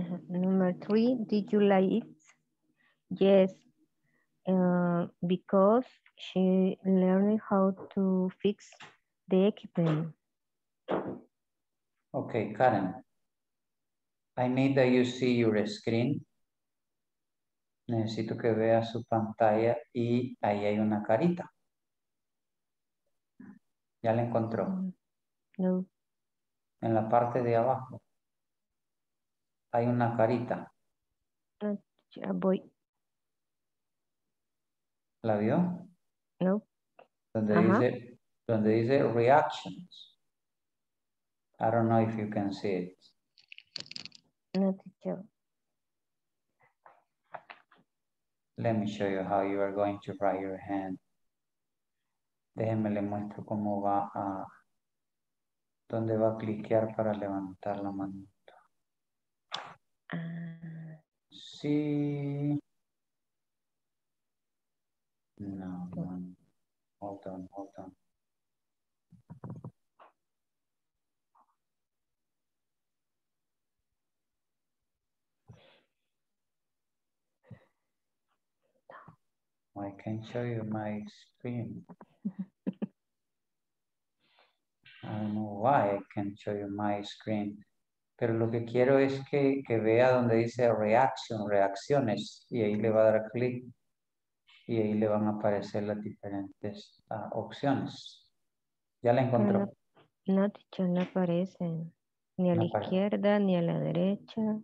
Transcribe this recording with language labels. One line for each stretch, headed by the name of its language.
English: Number three, did you like it? Yes, because she learned how to fix the equipment. Okay, Karen, I need that you see your screen.
Spanish: Necesito que vea su pantalla y ahí hay una carita. ¿Ya la encontró? No. En la parte de abajo hay una carita. Ya voy. ¿La vio? No. Donde dice reactions.
English: I don't know if you can see it. No, teacher. Let me show you how you are going to write your hand.
Spanish: Déjenme le muestro cómo va a... ¿Dónde va a cliquear para levantar la manito? Sí.
English: No, no. Hold on, hold on. I can show you my screen. I don't know why I can show you my screen.
Spanish: Pero lo que quiero es que vea donde dice reaction, reacciones. Y ahí le va a dar clic. Y ahí le van a aparecer las diferentes opciones. ¿Ya la encontró? No, teacher, no aparecen. Ni a la izquierda, ni a la derecha.